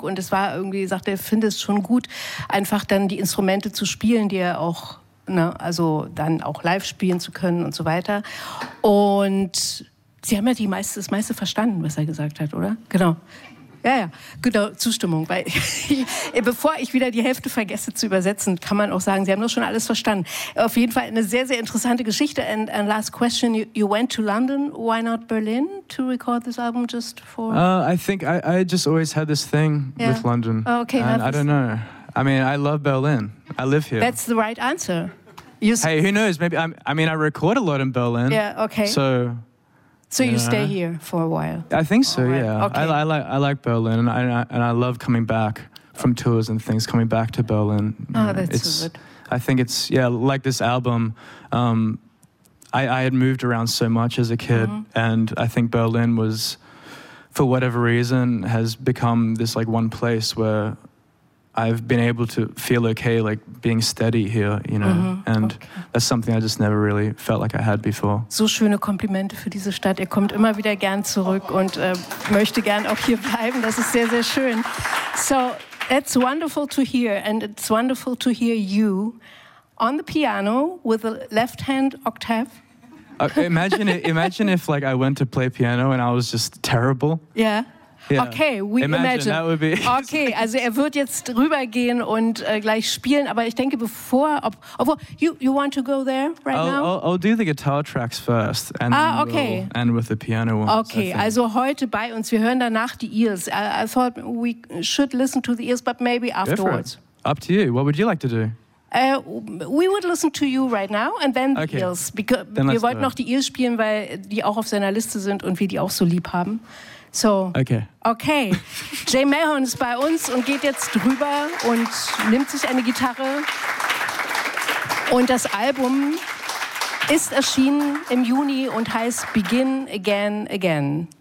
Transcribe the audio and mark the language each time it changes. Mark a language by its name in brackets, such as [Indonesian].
[German] Und es war irgendwie, sagt er, finde es schon gut, einfach dann die Instrumente zu spielen, die er auch, ne, also dann auch live spielen zu können und so weiter. Und sie haben ja das meiste verstanden, was er gesagt hat, oder? Genau. Ja, genau, Zustimmung. Weil bevor ich wieder die Hälfte vergesse zu übersetzen, kann man auch sagen, sie haben doch schon alles verstanden. Auf jeden Fall eine sehr, sehr interessante Geschichte. [English] And last question, you went to London, why not Berlin to record this album just for... I think I just always had this thing with London. Oh, okay. And I don't know. I mean, I love Berlin. I live here. That's the right answer. Hey, who knows? Maybe I record a lot in Berlin. Yeah, okay. So you stay here for a while? I think so, yeah. Okay. I like Berlin, and I love coming back from tours and things, coming back to Berlin. That's so good. I think it's, like this album, I had moved around so much as a kid, and I think Berlin was, for whatever reason, has become this like one place where I've been able to feel okay, like being steady here, you know. Mm-hmm. And that's something I just never really felt like I had before. [German] So schöne Komplimente für diese Stadt. Er kommt immer wieder gern zurück und möchte gern auch hier bleiben. Das ist sehr, sehr schön. [English] So it's wonderful to hear, and it's wonderful to hear you on the piano with a left hand octave. Imagine if like I went to play piano and I was just terrible. Yeah. Yeah. Okay, we imagine. That would be. [German] Okay, also er wird jetzt rübergehen und gleich spielen, aber ich denke bevor, you want to go there now? [English] I'll do the guitar tracks first and then we'll end with the piano ones. [German] Okay, also heute bei uns, wir hören danach die Ears. [English] I thought we should listen to the Ears, but maybe afterwards. Up to you, what would you like to do? We would listen to you right now and then the Ears. [German] Wir wollten noch die Ears spielen, weil die auch auf seiner Liste sind und wir die auch so lieb haben. So, okay. Jay Mahon ist bei uns und geht jetzt rüber und nimmt sich eine Gitarre. Und das Album ist erschienen im Juni und heißt Begin Again Again.